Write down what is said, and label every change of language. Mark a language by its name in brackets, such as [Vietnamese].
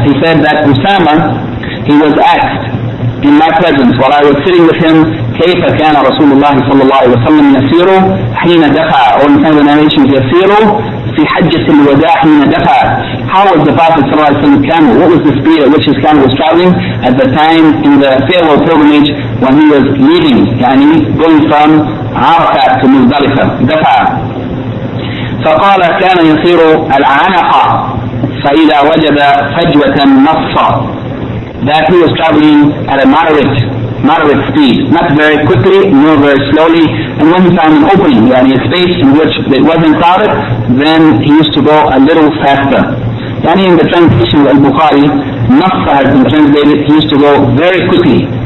[English] He said that Usama, he was asked in my presence while I was sitting with him, [Arabic] كيف كان رسول الله صلى الله عليه وسلم يسير حين دفع, [English] or in some of the narrations, [Arabic] يسير في حجة الوداع حين دفع. [English] How was the Prophet صلى الله عليه وسلم camel? What was the speed at which his camel was traveling at the time in the farewell pilgrimage when he was leaving, [Arabic] يعني [English] going from عرفة to مزدلفة, دفع. [Arabic] فقال كان يسير العنق فإذا وجد فجوة نصة. [English] That he was traveling at a moderate speed, not very quickly nor very slowly, and when he found an opening, [Arabic] يعني [English] a space in which it wasn't crowded, then he used to go a little faster. [Arabic] يعني [English] in the translation of Al-Bukhari, Nassa has been translated, he used to go very quickly.